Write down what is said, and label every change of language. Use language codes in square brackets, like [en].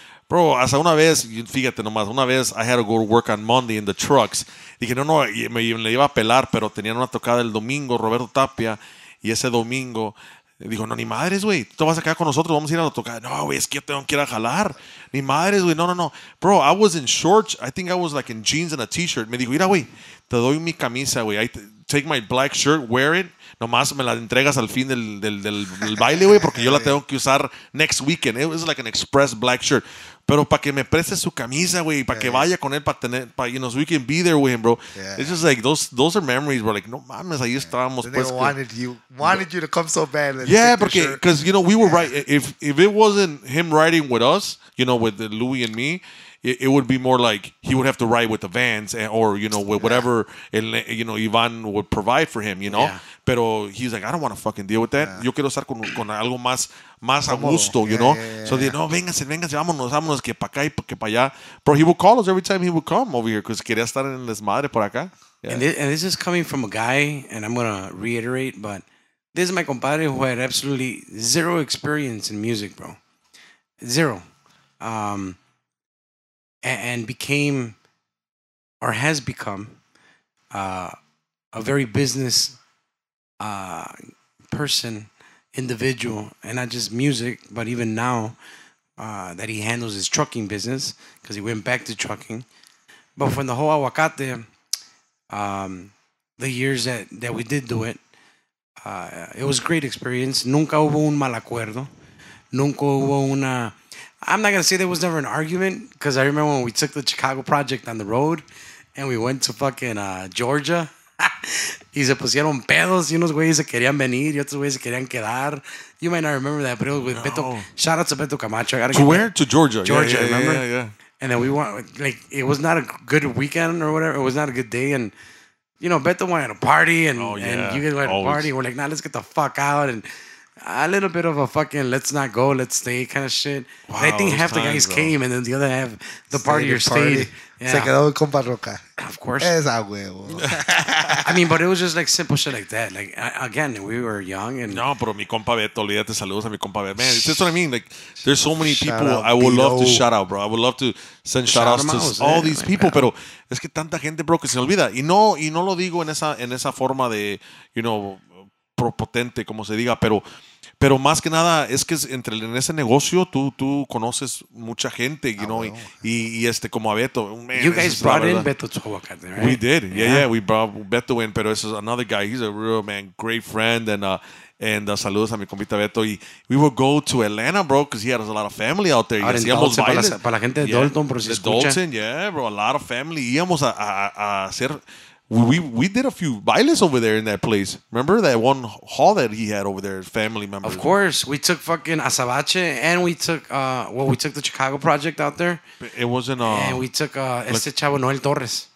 [en] Bro, [es] hasta una vez, fíjate nomás, una vez [en] I had to go to work on Monday in the trucks. [es] Dije, no, me le iba a pelar, pero tenían una tocada el domingo, Roberto Tapia, y ese domingo, dijo, no, ni madres, güey, tú vas a quedar con nosotros, vamos a ir a la tocada. No, güey, es que yo tengo que ir a jalar. Ni madres, güey, no. [en] Bro, I was in shorts, I think I was like in jeans and a t-shirt. [es] Me dijo, mira, güey, te doy mi camisa, güey, [en] take my black shirt, wear it. [es] Nomás me la entregas al fin del baile, güey, porque yo la tengo que usar [en] next weekend. It was like an express black shirt. [es] Pero para que me preste su camisa, güey, para que vaya con él, para, [en] you know, so we can be there with him, bro. Yeah. It's just like, those are memories, bro. Like, [es] no mames, ahí estábamos. [en] And they wanted you to come so bad. Yeah, because, you know, we were right. If it wasn't him riding with us, you know, with Louis and me, it would be more like he would have to ride with the vans or, you know, with whatever, you know, Iván would provide for him, you know. Yeah. Pero he's like, I don't want to fucking deal with that. [es] Yeah. Yo quiero estar con algo más a gusto, you know. Yeah. So, no, vénganse, vámonos, que para acá y que para allá. [en] Bro, he would call us every time he would come over here because [es] quería estar en el desmadre por acá. [en] Yeah. And this is coming from a guy, and I'm going to reiterate, but This is my compadre who had absolutely zero experience in music, bro. Zero. And became, or has become, a very business person, individual, and not just music, but even now that he handles his trucking business, because he went back to trucking. But from the whole aguacate, the years that we did do it, it was a great experience. [es] Nunca hubo un mal acuerdo. Nunca hubo una... [en] I'm not going to say there was never an argument, because I remember when we took the Chicago project on the road and we went to fucking Georgia. [es] Y se pusieron pedos y unos güeyes se querían venir y otros güeyes se querían quedar. [en] You might not remember that, but it was with Beto. Shout out to Beto Camacho. I to where? To Georgia. Georgia, yeah, remember? Yeah. And then we went, like, it was not a good weekend or whatever. It was not a good day. And, you know, Beto wanted a party and, oh, yeah, and you guys wanted a party. We're like, nah, let's get the fuck out. And a little bit of a fucking let's not go, let's stay kind of shit. Wow, I think half the guys came and then the other half, the partier stayed. [es] Yeah. Se quedó con Parroca. [en] Of course. [es] Esa huevo. [en] I mean, but it was just like simple shit like that. Like, again, we were young and... [es] No, pero mi compa Beto, olvídate, saludos a mi compa Beto. [en] Man, that's what I mean. Like, there's so many people I would love to shout out, bro. I would love to send shout outs to all these people. [es] Pero es que tanta gente, bro, que se olvida. Y no lo digo en esa forma de, you know, propotente, como se diga, pero más que nada es que en ese negocio tú conoces mucha gente, you know, y este como a Beto. Man, [en] you guys brought in Beto to Aguacate, right? We did. Yeah, we brought Beto in, pero this is another guy. He's a real man, great friend, and [es] saludos a mi compita Beto. [en] Y we would go to Atlanta, bro, because he has a lot of family out there. [es] Ahora, y hacíamos Dalton, para la gente de Dalton, por si escucha. [en] Dalton, yeah, bro, a lot of family. [es] Íbamos a hacer... [en] We did a few bailes over there in that place. Remember that one hall that he had over there, family members? Of course. We took fucking Azabache and we took, we took the Chicago project out there. It wasn't... And we took este chavo Noel Torres.